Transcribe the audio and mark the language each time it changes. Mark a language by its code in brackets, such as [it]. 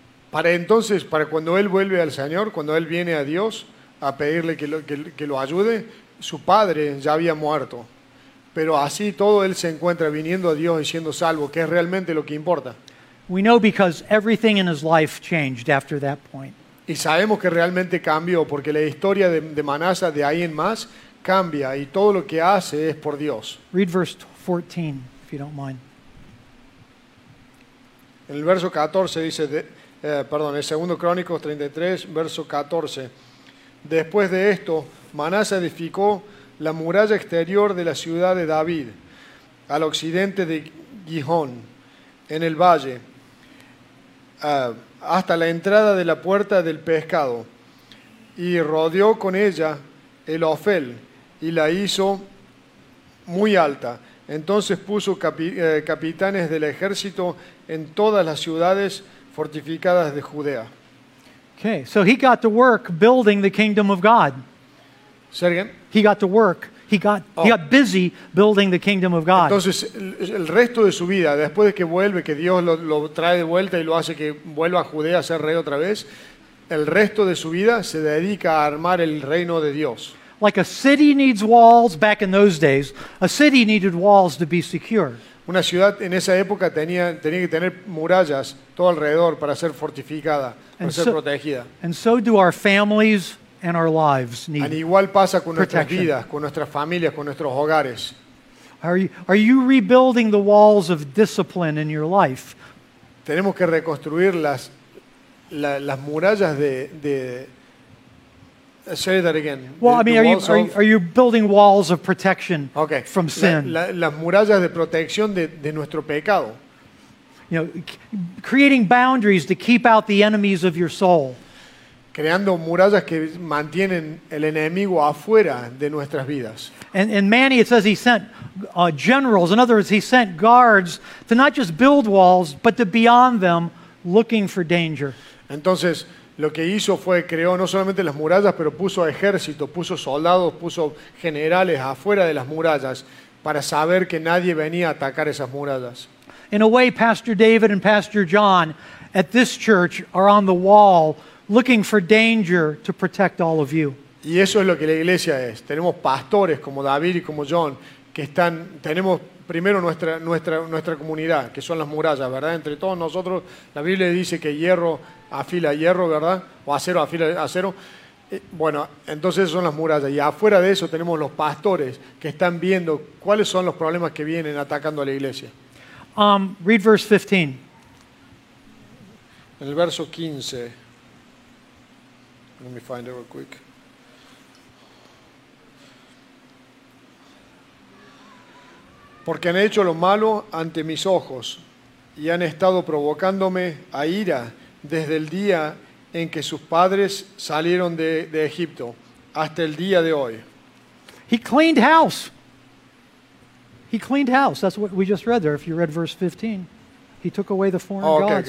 [es] Para entonces, para cuando él vuelve al Señor, cuando él viene a Dios a pedirle que lo ayude, su padre ya había muerto. Pero así todo él se encuentra viniendo a Dios y siendo salvo, que es realmente lo que importa. [en] We know because everything in his life changed after that point. [es] Y sabemos que realmente cambió, porque la historia de Manasseh de ahí en más cambia y todo lo que hace es por Dios. [en] Read verse 14, if you don't mind. [es] En el verso 14 dice, en 2 Crónicos 33, verso 14. Después de esto, Manasseh edificó la muralla exterior de la ciudad de David, al occidente de Gijón, en el valle, hasta la entrada de la puerta del pescado, y rodeó con ella el Ofel, y la hizo muy alta. Entonces puso capitanes del ejército en todas las ciudades fortificadas de Judea. [en] Okay, so he got to work building the kingdom of God. Say again? He got to work. He got busy building the kingdom of God. [es] Entonces, el resto de su vida, después de que vuelve, que Dios lo trae de vuelta y lo hace que vuelva a Judea a ser rey otra vez, el resto de su vida se dedica a armar el reino de Dios. [en] Like a city needs walls back in those days, a city needed walls to be secure. [es] Una ciudad en esa época tenía que tener murallas todo alrededor para ser fortificada, para ser protegida. [en] And so do our families and our lives need protection. [es] Y igual pasa con nuestras vidas, con nuestras familias, con nuestros hogares. [en] Are you rebuilding the walls of discipline in your life? [es] Tenemos que reconstruir las murallas de [en] say that again. Well, I mean, are you building walls of protection okay. from sin? [es] Las murallas de protección de nuestro pecado. [en] You know, creating boundaries to keep out the enemies of your soul. [es] Creando murallas que mantienen el enemigo afuera de nuestras vidas. [en] And Manny, it says he sent generals. In other words, he sent guards to not just build walls, but to beyond them, looking for danger. [es] Entonces, lo que hizo fue creó no solamente las murallas, pero puso ejército, puso soldados, puso generales afuera de las murallas para saber que nadie venía a atacar esas murallas. [en] In a way, Pastor David and Pastor John at this church are on the wall looking for danger to protect all of you. [es] Y eso es lo que la iglesia es. Tenemos pastores como David y como John que están, tenemos primero nuestra comunidad, que son las murallas, ¿verdad? Entre todos nosotros, la Biblia dice que hierro afila hierro, ¿verdad? O acero afila acero. Bueno, entonces esas son las murallas. Y afuera de eso tenemos los pastores que están viendo cuáles son los problemas que vienen atacando a la iglesia. [en] Read verse 15. [es] En el verso 15. [en] Let me find it real quick. [es] Porque han hecho lo malo ante mis ojos y han estado provocándome a ira desde el día en que sus padres salieron de Egipto hasta el día de hoy. [en] He cleaned house. He cleaned house. That's what we just read there. If you read verse 15, he took away the foreign gods.